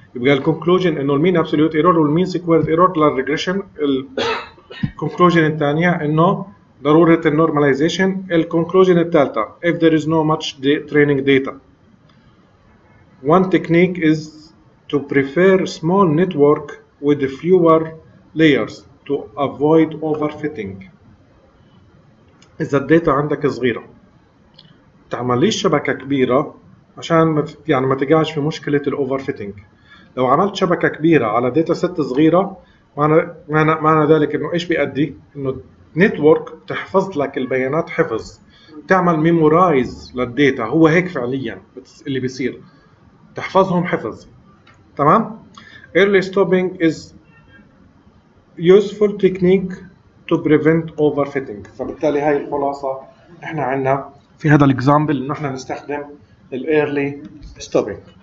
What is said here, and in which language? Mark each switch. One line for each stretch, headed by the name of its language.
Arabic: يبقى الـ conclusion إنه الـ mean absolute error والـ mean squared error للregression. الـ conclusion الثانية إنه ضرورة الـ normalization. الـ conclusion الثالثة
English: if there is no much training data. One technique is to prefer small network with fewer layers to avoid overfitting.
Arabic: إذا الـ data عندك صغيرة تعمل ليش شبكة كبيرة عشان يعني ما تقعش في مشكلة الـ overfitting. لو عملت شبكة كبيرة على داتا ست صغيرة معنى ذلك انه ايش بيأدي؟ انه نتورك تحفظ لك البيانات حفظ، تعمل ميمورايز للداتا، هو هيك فعليا اللي بيصير، تحفظهم حفظ. تمام؟
English: Early stopping is useful technique to prevent overfitting.
Arabic: فبالتالي هاي الخلاصة احنا عنا في هذا الاكزامبل انه احنا نستخدم الـ early stopping.